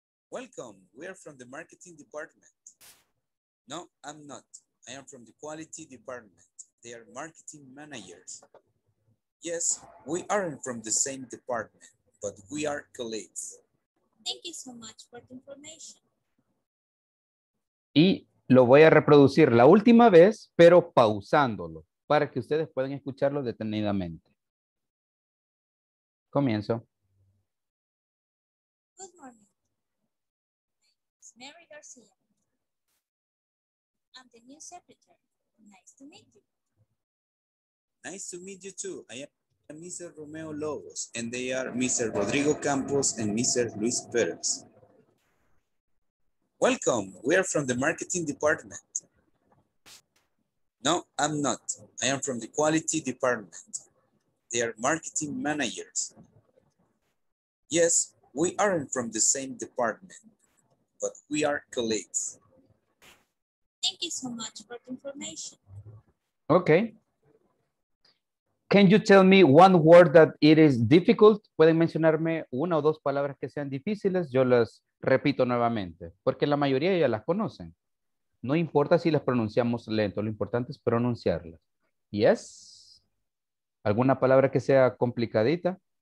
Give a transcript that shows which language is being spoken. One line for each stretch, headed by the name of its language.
English: Welcome, we are from the marketing department. No, I'm not. I am from the quality department. They are marketing managers. Yes, we aren't from the same department, but we are colleagues. Thank you so much for the information.
Spanish: Y lo voy a reproducir la última vez, pero pausándolo, para que ustedes puedan escucharlo detenidamente. Comienzo.
English: Good morning. It's Mary Garcia. I'm the new secretary. Nice to meet you. Nice to meet you too. I am Mr. Romeo Lobos, and they are Mr. Rodrigo Campos and Mr. Luis Perez. Welcome. We are from the marketing department. No, I'm not. I am from the quality department. They are marketing managers. Yes, we aren't from the same department, but we are colleagues. Thank you so much for the information. Okay. Can you tell me one word that it is difficult?
Spanish: Pueden mencionarme una o dos palabras que sean difíciles. Yo las repito nuevamente, porque la mayoría ya las conocen. No importa si las pronunciamos lento, lo importante es pronunciarlas.
English: Yes.
Spanish: ¿Alguna palabra que sea complicadita?